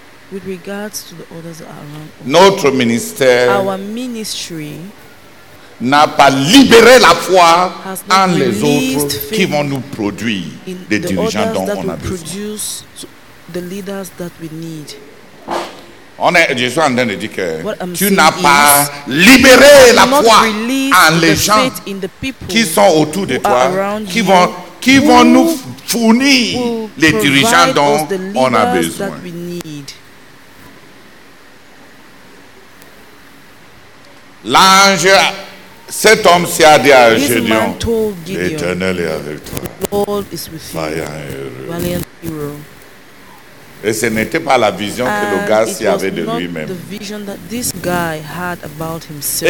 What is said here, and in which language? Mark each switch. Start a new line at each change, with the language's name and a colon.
English: With regards to the others that are around us.
French: Notre ministère
English: our ministry
French: n'a pas libéré la foi en les autres qui vont nous produire des dirigeants dont on a besoin.
English: The leaders that we need.
French: Je suis en train de dire que tu n'as pas libéré la foi en les gens qui sont autour de toi, qui vont nous fournir les dirigeants dont on a besoin. L'ange, cet homme s'est dit à Gideon, l'Éternel est avec toi.
English: The Lord is with
French: vaillant
English: you.
French: Héros.
English: Valiant hero.
French: Et ce n'était pas la vision
English: and
French: que le gars s'y avait de lui-même.
English: The vision that this guy had about himself.